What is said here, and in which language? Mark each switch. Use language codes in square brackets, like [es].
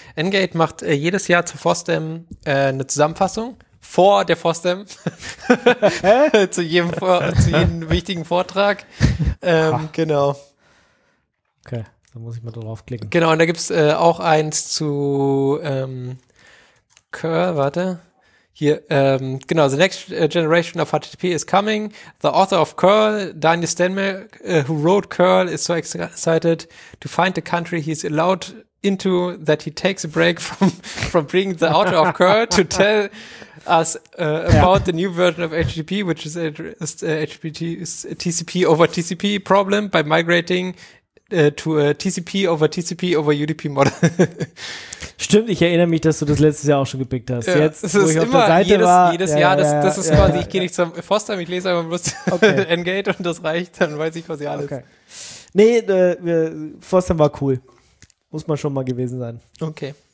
[de] Engate macht jedes Jahr zur FOSDEM eine Zusammenfassung. Vor der FOSDEM. zu jedem wichtigen Vortrag. genau. Okay. Da muss ich mal draufklicken. Genau, und da gibt es auch eins zu Curl, warte. Hier, genau, [en] the next generation of HTTP is coming. The author of Curl, Daniel Stenmark, who wrote Curl, is so excited to find the country he's allowed into that he takes a break from being the author of Curl to tell us about the new version of HTTP, which is TCP over TCP problem by migrating to a TCP over TCP over UDP Model. [de] Stimmt, ich erinnere mich, dass du das letztes Jahr auch schon gepickt hast. Ja, jetzt, es ist wo ich immer auf der Seite jedes, war. Jedes ja, Jahr, ja, das, ja, das ist ja, quasi, ja, ich gehe ja nicht zum Fostime, ich lese einfach bloß okay. N-Gate und das reicht, dann weiß ich quasi alles. Okay. Nee, Fostime war cool. Muss man schon mal gewesen sein. Okay.